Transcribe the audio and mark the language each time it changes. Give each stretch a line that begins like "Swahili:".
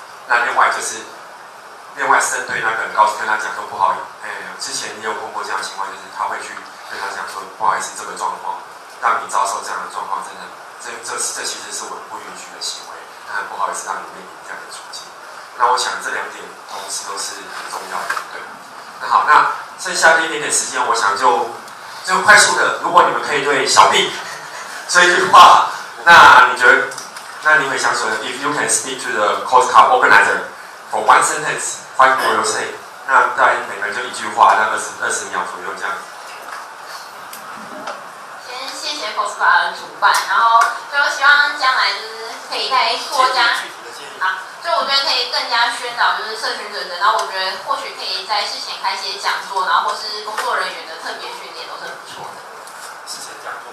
Chinese: 那另外是对那个人告诉跟他讲说不好，之前你有碰过这样的情况，就是他会去跟他讲说不好意思，这个状况让你遭受这样的状况，真的这其实是我不允许的行为，那很不好意思让你面临这样的处境。那我想这两点同时都是很重要的，对。那好，那剩下的一点点时间，我想就快速的，如果你们可以对小 B 这句话，那你觉得？那你会想说 ，
English: If you can speak to the course club organizer for one sentence, what will you say?
Chinese: 那大概每个人就一句话，那二十秒左右这样。先谢谢 course club 的主办，然后就希望将来就是可以再扩加，就我觉得可以更加宣导就是社群准则，然后我觉得或许可以在事前开一些讲座，然后或是工作人员的特别训练都是不错的。